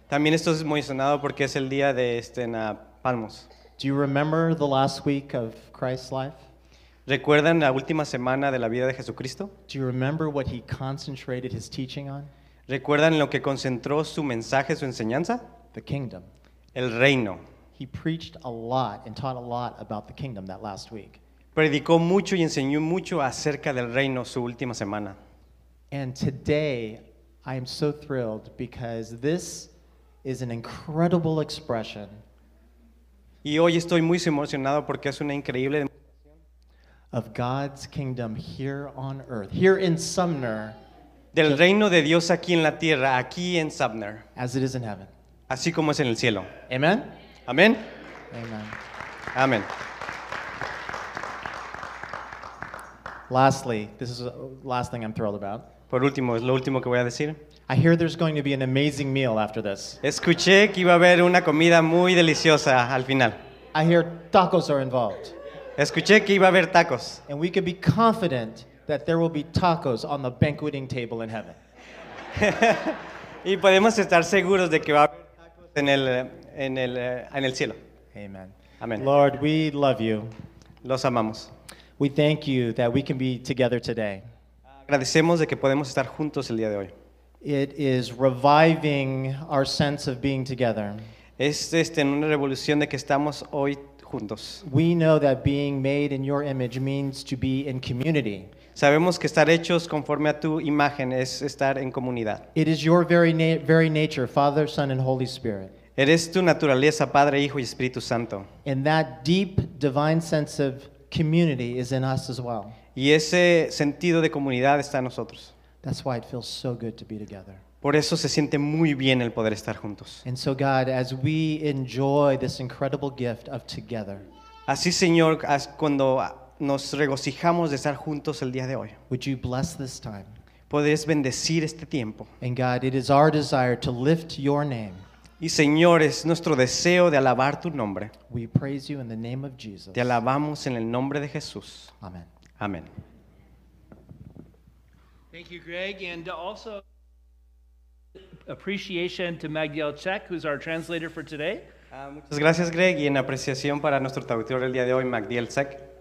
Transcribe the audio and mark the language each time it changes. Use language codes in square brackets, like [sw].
[es] También estoy muy emocionado porque es el día de palmos. [en] Do you remember the last week of Christ's life? [es] ¿Recuerdan la última semana de la vida de Jesucristo? [en] Do you remember what he concentrated his teaching on? [es] ¿Recuerdan lo que concentró su mensaje, su enseñanza? [en] The kingdom. [es] El reino. [en] He preached a lot and taught a lot about the kingdom that last week. [es] Predicó mucho y enseñó mucho acerca del reino su última semana. [en] And today, I am so thrilled because this is an incredible expression. [es] Y hoy estoy muy emocionado porque es una increíble demostración [en] of God's kingdom here on earth, here in Sumner. [es] Del reino de Dios aquí en la tierra, aquí en Sumner. [en] As it is in heaven. [es] Así como es en el cielo. [en] Amen. Amen. Amen. Amen. Lastly, this is the last thing I'm thrilled about. [es] Por último, es lo último que voy a decir. [en] I hear there's going to be an amazing meal after this. [es] Escuché que iba a haber una comida muy deliciosa al final. [en] I hear tacos are involved. [es] Escuché que iba a haber tacos. [en] And we can be confident that there will be tacos on the banqueting table in heaven. [es] Y podemos estar seguros de que va a haber tacos en el en el cielo. [en] Amen. Amen. Lord, we love you. [es] Los amamos. [en] We thank you that we can be together today. [es] Agradecemos de que podemos estar juntos el día de hoy. [en] It is reviving our sense of being together. [es] Es una revolución de que estamos hoy juntos. [en] We know that being made in your image means to be in community. [es] Sabemos que estar hechos conforme a tu imagen es estar en comunidad. [en] It is your very nature, Father, Son, and Holy Spirit. [es] Eres tu naturaleza, Padre, Hijo y Espíritu Santo. [en] And that deep divine sense of community is in us as well. [es] Y ese sentido de comunidad está en nosotros. [en] That's why it feels so good to be together. [es] Por eso se siente muy bien el poder estar juntos. [en] And so God, as we enjoy this incredible gift of together. [es] Así, Señor, [en] as [es] cuando nos regocijamos de estar juntos el día de hoy. [en] Would you bless this time? [es] Podrías bendecir este tiempo. [en] And God, it is our desire to lift your name. [es] Y Señor, es nuestro deseo de alabar tu nombre. [en] We praise you in the name of Jesus. [es] Te alabamos en el nombre de Jesús. [en] Amen. Amen. Thank you, Greg, and also appreciation to Magdiel Cech, who's our translator for today. [es] Muchas gracias, Greg, y en apreciación para nuestro traductor el día de hoy, Magdiel Cech.